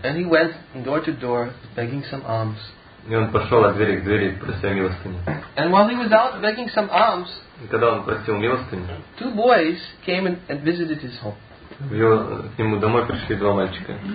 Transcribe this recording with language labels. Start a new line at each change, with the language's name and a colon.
English: And he went door to door begging some alms.
Russian: И он пошел от двери к двери, прося милостыню.
English: And while he was out begging some alms,
Russian: когда он просил милостыню,
English: two boys came and visited his home.
Russian: К нему домой пришли два мальчика.